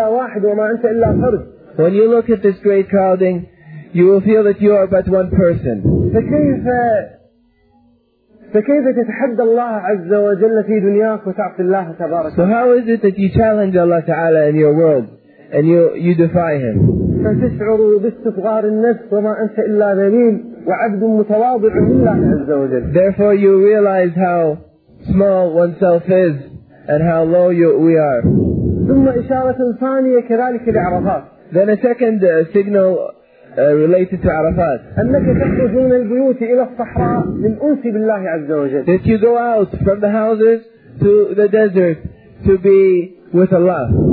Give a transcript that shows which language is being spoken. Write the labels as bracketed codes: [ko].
[en] When you look at this great crowding, you will feel that you are but one person. [ar] فكيف تتحدى الله عز وجل في دنياك وتعصي الله تبارك؟ [en] So how is it that you challenge Allah تعالى in your world and you defy Him؟ [ar] فتشعر باستفغار النفس وما أنت إلا ذليل وعبد متواضع لله عز وجل. [en] Therefore you realize how small oneself is and how low we are. [ar] ثم إشارة ثانية كذلك لعرفات. [en] Then a second signal. Related to Arafat. That you go out from the houses to the desert to be with Allah.